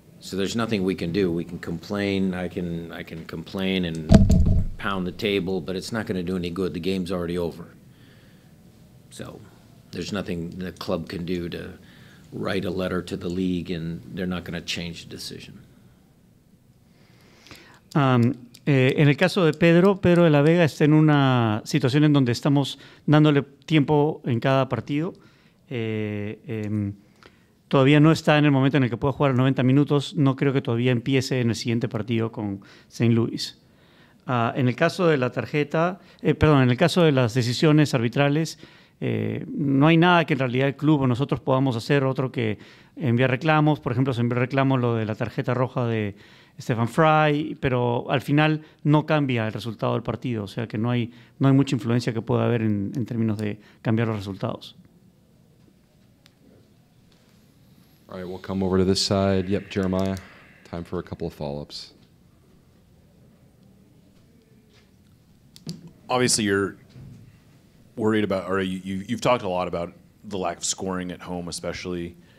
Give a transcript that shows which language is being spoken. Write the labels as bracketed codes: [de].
[en] So there's nothing we can do. We can complain. I can complain and pound the table, but it's not going to do any good. The game's already over. So there's nothing the club can do to write a letter to the league, and they're not going to change the decision. [es] En el caso de Pedro de la Vega está en una situación en donde estamos dándole tiempo en cada partido. Todavía no está en el momento en el que pueda jugar 90 minutos. No creo que todavía empiece en el siguiente partido con St. Louis. En el caso de la tarjeta, perdón, en el caso de las decisiones arbitrales, no hay nada que en realidad el club o nosotros podamos hacer otro que enviar reclamos. Por ejemplo, se envió reclamo lo de la tarjeta roja de Stephen Fry, pero al final no cambia el resultado del partido. O sea que no hay mucha influencia que pueda haber en términos de cambiar los resultados. [en] All right, we'll come over to this side. Yep, Jeremiah, time for a couple of follow-ups. Obviously, you're worried about, or you've talked a lot about the lack of scoring at home, especially.